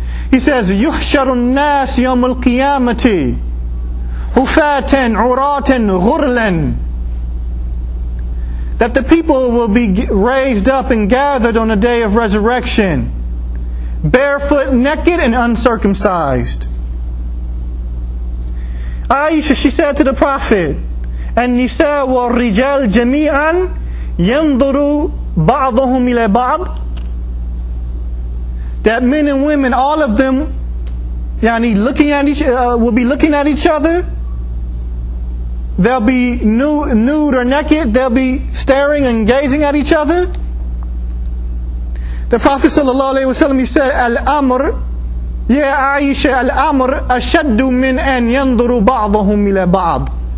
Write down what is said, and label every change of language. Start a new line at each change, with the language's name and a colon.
English: He says,
Arabic: "Yuhsharu an-nas yawm al-qiyamati hufatan 'uratan ghurlan."
English: That the people will be raised up and gathered on the day of resurrection, barefoot, naked, and uncircumcised. Aisha, she said to the Prophet,
Arabic: "النِّسَاء وَالرِّجَالُ جَمِيعًا يَنْظُرُ بَعْضُهُمْ إِلَى بَعْضٍ."
English: That men and women, all of them, yani looking at each, will be looking at each other. They'll be nude or naked. They'll be staring and gazing at each other. The Prophet sallallahu alaihi wasallam, he said,
Arabic: "Al-amr, ya Aisha, al-amr ashaddu min an yanduru ba'dahum ila ba'd."